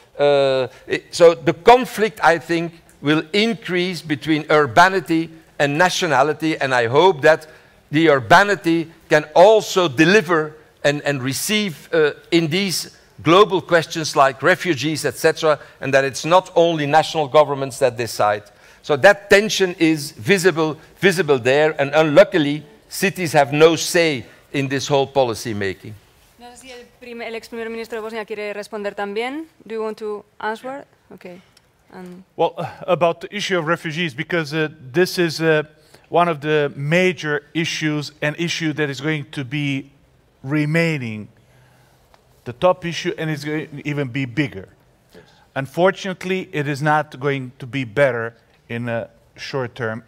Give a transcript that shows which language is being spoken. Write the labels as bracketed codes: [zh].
[en] So the conflict, I think, will increase between urbanity and nationality, and I hope that the urbanity can also deliver and receive in these global questions like refugees, etc., and that it's not only national governments that decide. So that tension is visible there, and unluckily, cities have no say in this whole policy making. [es] No sé si el ex primer ministro de Bosnia quiere responder también. [en] Do you want to answer? Okay. Well, about the issue of refugees, because this is one of the major issues, an issue that is going to be remaining the top issue, and it's going to even be bigger. Yes. Unfortunately, it is not going to be better in the short term.